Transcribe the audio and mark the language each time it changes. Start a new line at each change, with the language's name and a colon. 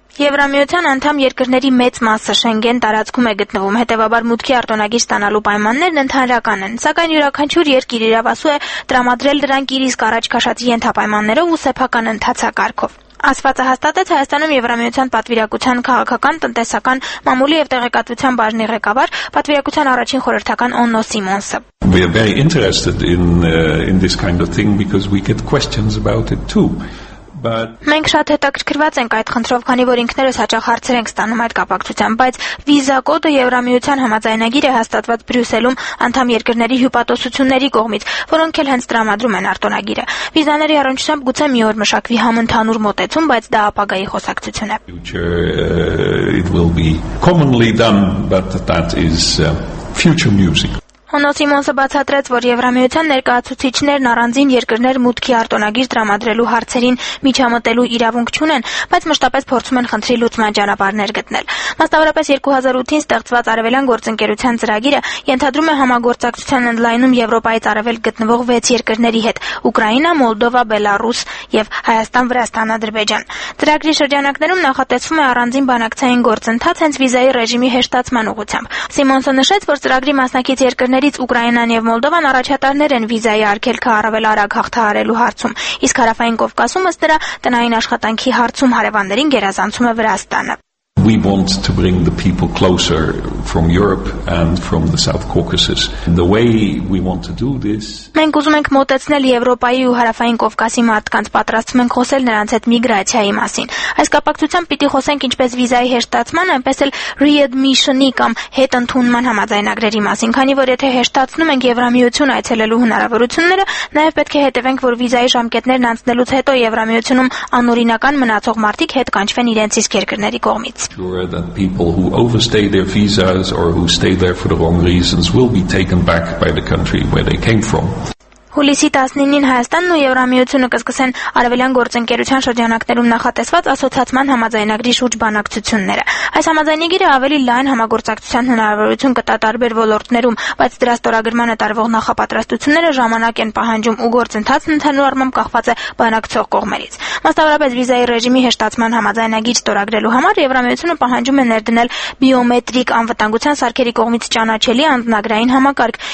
Armenian: Եվրամիության անդամ երկրների մեծ մասը Շենգեն տարածքում է գտնվում, հետևաբար մուտքի արտոնագիր ստանալու պայմաններն ընդհանրական են, սակայն յուրաքանչյուր երկիր իրավասու է տրամադրել դրանք իր իսկ առաջ քաշած ենթապայմաններով ու սեփական ընթացակարգով։ Ասվածը հաստատեց Հայաստանում Եվրամիության պատվիրակության քաղաքական, տնտեսական, մամուլի եւ տեղեկատվության բաժնի ղեկավար, պատվիրակության առաջին խորհրդական Օննո Սիմոնսը։
English: We are very interested in this kind of thing because we get questions about it too.
Armenian: Մենք շատ հետաքրքրված ենք այդ խնդրով, քանի որ ինքներս հաճախ հարցեր ենք ստանում այդ կապակցության, բայց վիզա կոդը Եվրամիության համաձայնագիրը հաստատված Բրյուսելում անդամ երկրների հյուպատոսությունների կողմից, որոնք էլ հենց տրամադրում են արտոնագիրը։ Վիզաների առնչությամբ գուցե մի օր մշակվի համընդհանուր մոտեցում, բայց դա ապագայի խոսակցություն է։
English: It will be commonly done, but that is future music.
Armenian: Օննո Սիմոնսը բացատրեց, որ Եվրամիության ներկայացուցիչներն առանձին երկրներ մուտքի արտոնագիր դրամադրելու հարցերին միջամտելու իրավունք չունեն, բայց մշտապես փորձում են խնդրի լուծման ճանապարհներ գտնել։ Մասնավորապես 2008-ին ստեղծված Արևելյան գործընկերության ծրագիրը ենթադրում է համագործակցության ընդլայնում Եվրոպայից արևելք գտնվող 6 երկրների հետ՝ Ուկրաինա, Մոլդովա, Բելարուս և Հայաստան, Վրաստան, Ադրբեջան։ Ծրագրի շրջանակներում նախատեսվում է առանձին բանակցային գործընթաց հենց վիզայի ռեժիմի հեշտացման ուղղությամբ։ Սիմոնսը նշեց, որ ծրագրի մասնակից երկրներ երկրներից Ուկրաինան եւ Մոլդովան առաջատարներ են վիզայի արգելք առավել արագ հաղթահարելու հարցում, իսկ հարավային Կովկասում ըստ դրա տնային աշխատանքի հարցում հարևաններին գերազանցում է Վրաստանը.
English: We want to bring the people closer from Europe and from the South Caucasus. The way we want to do this.
Armenian: Մենք ուզում ենք մոտեցնել Եվրոպայի ու Հարավային Կովկասի մարդկանց, պատրաստվում ենք խոսել նրանց հետ միգրացիայի մասին։ Այս կապակցությամբ պիտի խոսենք ինչպես վիզայի հեշտացման, այնպես էլ readmission-ի կամ հետընդունման համաձայնագրերի մասին, քանի որ եթե հեշտացնում ենք Եվրամիություն այցելելու հնարավորությունները, նաև պետք է հետևենք, որ վիզայի ժամկետներն անցնելուց հետո Եվրամիությունում անօրինական մնացող մարդիկ հետ կանչվեն իրենց իսկ երկրների կողմից.
English: Sure that people who overstay their visas or who stay there for the wrong reasons will be taken back by the country where they came from.
Armenian: Հուլիսի 19-ին Հայաստանն ու Եվրամիությունը կսկսեն արևելյան գործընկերության շրջանակներում նախատեսված ասոցիացիան համաձայնագրի շուրջ բանակցությունները։ Այս համաձայնագիրը ավելի լայն համագործակցության հնարավորություն կտա տարբեր ոլորտներում, բայց դրա ստորագրմանը տարվող նախապատրաստությունները ժամանակ են պահանջում ու գործընթացն ընդհանուր առմամբ կախված է բանակցող կողմերից։ Մասնավորապես վիզայի ռեժիմի հեշտացման համաձայնագիր ստորագրելու համար Եվրամիությունը պահանջում է ներդնել բիոմետրիկ անվտանգության սարքերի կողմից ճանաչելի անձնագրային համակարգ,